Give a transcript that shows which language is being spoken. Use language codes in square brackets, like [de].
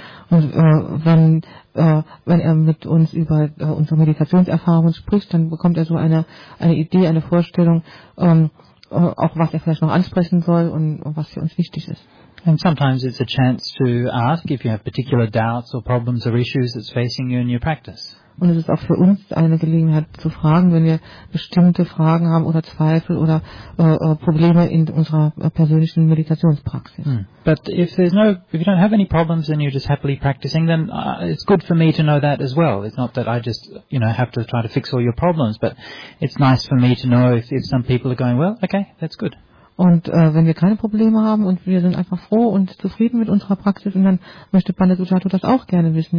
[de] Und wenn er mit uns über unsere Meditationserfahrungen spricht, dann bekommt er so eine Idee, eine Vorstellung, auch was er vielleicht noch ansprechen soll und was für uns wichtig ist. [en] And sometimes it's a chance to ask if you have particular doubts or problems or issues that's facing you in your practice. [de] Und es ist auch für uns eine Gelegenheit zu fragen, wenn wir bestimmte Fragen haben oder Zweifel oder Probleme in unserer persönlichen Meditationspraxis. [en] But if you don't have any problems and you're just happily practicing, then it's good for me to know that as well. It's not that I just, you know, have to try to fix all your problems, but it's nice for me to know if some people are going, well, okay, that's good. [de] Und wenn wir keine Probleme haben und wir sind einfach froh und zufrieden mit unserer Praxis, und dann möchte Bandhisattva das auch gerne wissen.